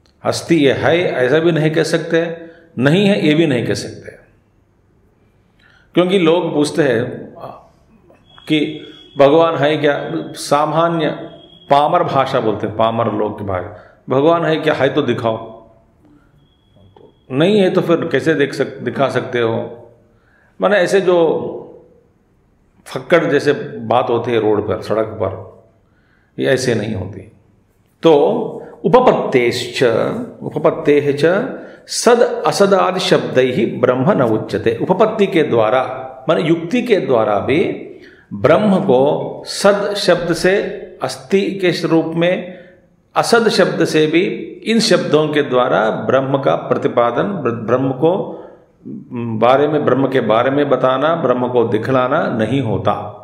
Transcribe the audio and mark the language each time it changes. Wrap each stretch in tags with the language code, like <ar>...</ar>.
<hi>अस्ति ये है ऐसा भी नहीं कह सकते, नहीं है ये भी नहीं कह सकते, क्योंकि लोग पूछते हैं कि भगवान है क्या, सामान्य पामर भाषा बोलते हैं, पामर लोग की भाषा, भगवान है क्या, है तो दिखाओ, नहीं है तो फिर कैसे देख सक दिखा सकते हो। माने ऐसे जो फक्कड़ जैसे बात होती है रोड पर, सड़क पर, ये ऐसे नहीं होती।</hi> <sa>तो उपपत्तेश्च, उपपत्तेः च सद असदादि शब्दैः ब्रह्म न उच्यते।</sa> <hi>उपपत्ति के द्वारा माने युक्ति के द्वारा भी ब्रह्म को सद शब्द से अस्ति के रूप में, असद शब्द से भी, इन शब्दों के द्वारा ब्रह्म का प्रतिपादन, ब्रह्म को बारे में, ब्रह्म के बारे में बताना, ब्रह्म को दिखलाना नहीं होता।</hi>